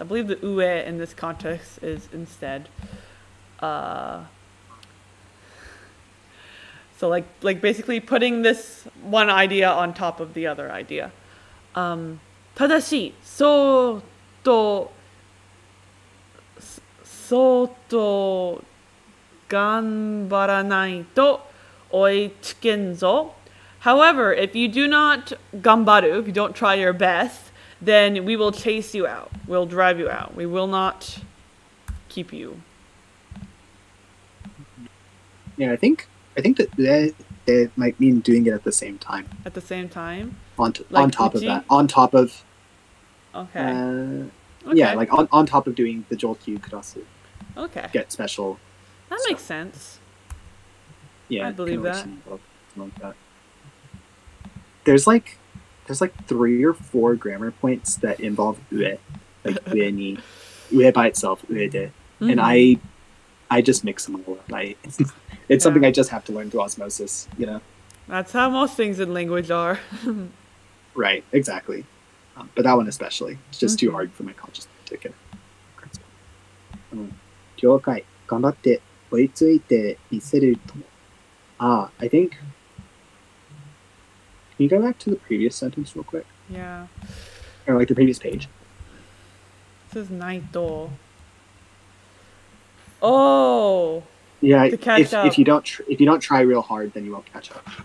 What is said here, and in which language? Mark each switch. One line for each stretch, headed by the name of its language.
English: I believe the ue in this context is instead. So basically putting this one idea on top of the other idea.
Japanese: ただし、そうと頑張らないと追いつけんぞ。
English: However, if you do not 頑張る, if you don't try your best, then we will chase you out. We'll drive you out. We will not keep you. Yeah, I think that they might mean doing it at the same time. At the same time? On top of that. Okay. Yeah, like on top of doing the Jōkyū Kurasu. Okay. Get special. That makes sense. Yeah. I believe that. There's like three or four grammar points that involve ue. Like ue ni. Ue by itself, ue de. Mm-hmm. And I just mix them all up. It's something I just have to learn through osmosis, you know? That's how most things in language are. Right, exactly. But that one especially. It's just too hard for my consciousness to take it.
Japanese: 了解。頑張って追いついてみせると。
English: Ah, I think... Can you go back to the previous sentence real quick? Yeah. Or like the previous page. It says Naito. Oh! Yeah, if you don't try real hard, then you won't catch up.